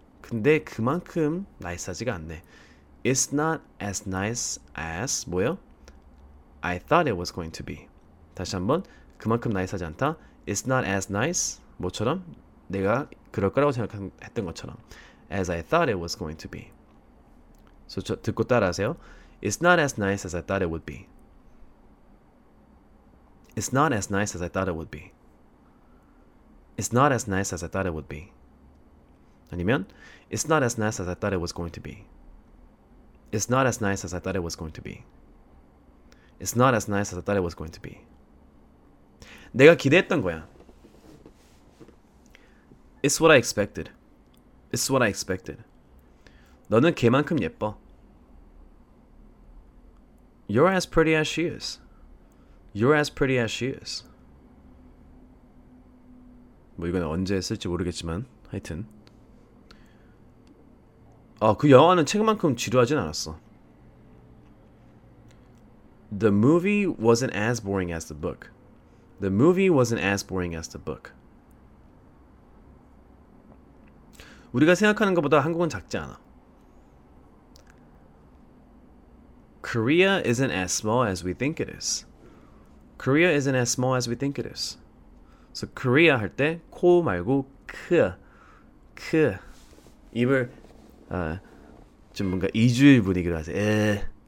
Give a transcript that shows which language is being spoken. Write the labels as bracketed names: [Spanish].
[Korean] 근데 그만큼 나이스하지가 않네. [English] It's not as nice as [Korean] 뭐요? [English] I thought it was going to be. [Korean] 다시 한번. 그만큼 나이스하지 않다. [English] It's not as nice. [Korean] 뭐처럼? 내가 그럴 거라고 생각했던 것처럼. [English] As I thought it was going to be. [Korean] 듣고 따라하세요. [English] It's not as nice as I thought it would be. It's not as nice as I thought it would be. It's not as nice as I thought it would be. [Korean] 아니면 [English] It's not as nice as I thought it was going to be. It's not as nice as I thought it was going to be. It's not as nice as I thought it was going to be. [Korean] 내가 기대했던 거야. [English] It's what I expected. It's what I expected. [Korean] 너는 걔만큼 예뻐. [English] You're as pretty as she is. You're as pretty as she is. [Korean] 뭐 이건 언제 쓸지 모르겠지만 하여튼. 아, 그 영화는 책만큼 지루하진 않았어. [English] The movie wasn't as boring as the book. The movie wasn't as boring as the book. [Korean] 우리가 생각하는 것보다 한국은 작지 않아. [English] Korea isn't as small as we think it is. Korea isn't as small as we think it is. [Korean] So Korea 할 때 코 말고 크 입을 좀 뭔가 이주일 분위기로 하세요. 에이.